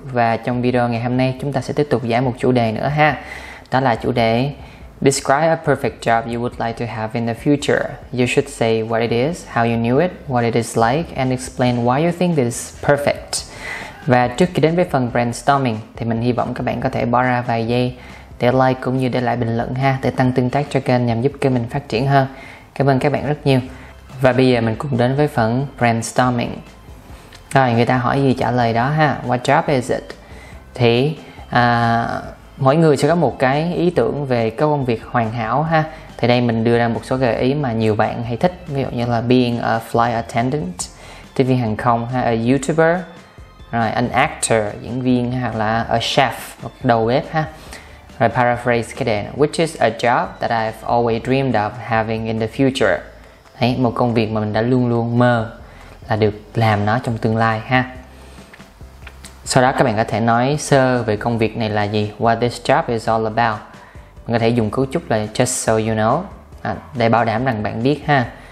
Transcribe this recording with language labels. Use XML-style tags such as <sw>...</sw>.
<vi>Và trong video ngày hôm nay chúng ta sẽ tiếp tục giải một chủ đề nữa ha. Đó là chủ đề</vi> <en>Describe a perfect job you would like to have in the future. You should say what it is, how you knew it, what it is like, and explain why you think this is perfect.</en> <vi>Và trước khi đến với phần brainstorming thì mình hy vọng các bạn có thể bỏ ra vài giây để like cũng như để lại bình luận ha, để tăng tương tác cho kênh nhằm giúp kênh mình phát triển hơn. Cảm ơn các bạn rất nhiều. Và bây giờ mình cùng đến với phần brainstorming. Rồi, người ta hỏi gì trả lời đó ha.</vi> <en>What job is it?</en> <vi>Thì mỗi người sẽ có một cái ý tưởng về cái công việc hoàn hảo ha. Thì đây mình đưa ra một số gợi ý mà nhiều bạn hay thích. Ví dụ như là</vi> <en>being a flight attendant,</en> <vi>tiếp viên hàng không, ha,</vi> <en>a youtuber,</en> <vi>rồi</vi> <en>an actor,</en> <vi>diễn viên, hoặc là</vi> <en>a chef,</en> <vi>đầu bếp ha. Rồi paraphrase cái đề này.</vi> <en>Which is a job that I've always dreamed of having in the future.</en> <vi>Đấy, một công việc mà mình đã luôn luôn mơ là được làm nó trong tương lai ha. Sau đó các bạn có thể nói sơ về công việc này là gì,</vi> <en>what this job is all about.</en> <vi>Mình có thể dùng cấu trúc là</vi> <en>just so you know</en> <vi>để bảo đảm rằng bạn biết ha.</vi>